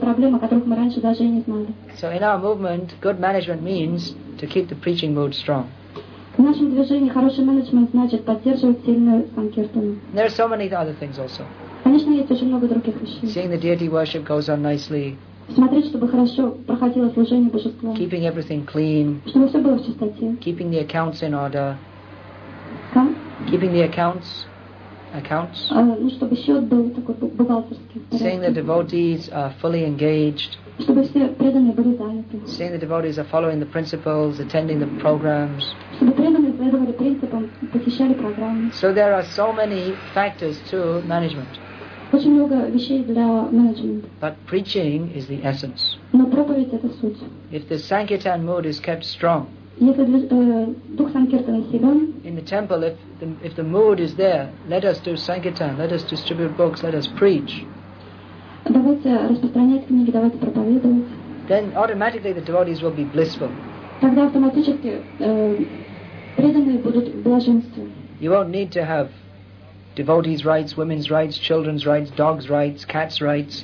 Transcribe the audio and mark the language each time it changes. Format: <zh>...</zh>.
<en>So in our movement, good management means to keep the preaching mood strong.</en> <ru>В нашем движении хороший менеджмент значит поддерживать сильную санкиртану.</ru> <en>There are so many other things also.</en> <ru>Конечно, есть очень много других вещей.</ru> <en>Seeing the deity worship goes on nicely.</en> <ru>Смотреть, чтобы хорошо проходило служение божеству.</ru> <en>Keeping everything clean.</en> <ru>Чтобы все было в чистоте.</ru> <en>Keeping the accounts in order. Keeping the accounts.</en> <ru>Чтобы счет был такой бухгалтерский.</ru> <en>Seeing the devotees are fully engaged.</en> <ru>Чтобы все преданные были заняты.</ru> <en>Seeing the devotees are following the principles, attending the programs.</en> <ru>Чтобы преданные следовали принципам, посещали программы.</ru> <en>So there are so many factors to management.</en> <ru>Очень много вещей для менеджмента.</ru> <en>But preaching is the essence.</en> <ru>Но проповедь это суть.</ru> <en>If the sankirtan mood is kept strong.</en> <ru>Если дух санкиртаны силен.</ru> <en>In the temple, if the mood is there, let us do sankirtan, let us distribute books, let us preach.</en> <ru>Давайте распространять книги, давайте проповедовать.</ru> <en>Then automatically the devotees will be blissful.</en> <ru>Тогда автоматически преданные будут в блаженстве.</ru> <en>You won't need to have devotees' rights, women's rights, children's rights, dogs' rights, cats' rights.</en>